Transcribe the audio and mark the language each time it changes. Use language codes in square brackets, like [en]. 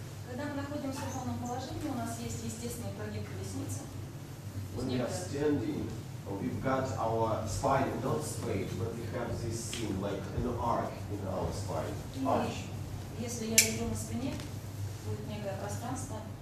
[ru] Когда мы находимся в полном положении, у нас есть естественный прогиб поясницы. [en] When we are standing, we've got our spine not straight, but we have this thing like an arc in our spine. Arch. [ru] Если я лежу на спине, будет некое пространство.